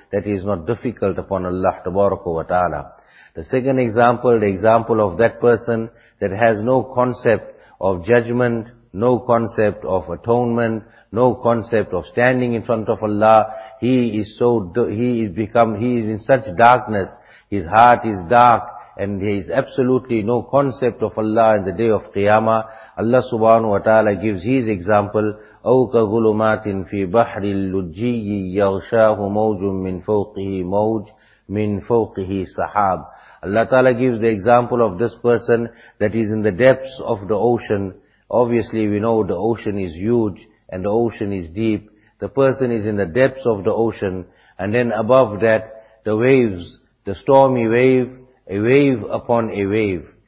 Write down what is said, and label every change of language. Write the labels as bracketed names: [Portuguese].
[English] That is not difficult upon Allah Tabaraka wa Ta'ala. The second example, the example of that person that has no concept of judgment, no concept of atonement, no concept of standing in front of Allah. He is in such darkness. His heart is dark and he is absolutely no concept of Allah in the day of Qiyamah. Allah Subhanahu wa Ta'ala gives his example. [Arabic] أو كظلمات في بحر اللجي يغشاه موج من فوقه موج من فوقه سحاب. [English] Allah Ta'ala gives the example of this person that is in the depths of the ocean. Obviously we know the ocean is huge and the ocean is deep. The person is in the depths of the ocean and then above that the waves, the stormy wave, a wave upon a wave.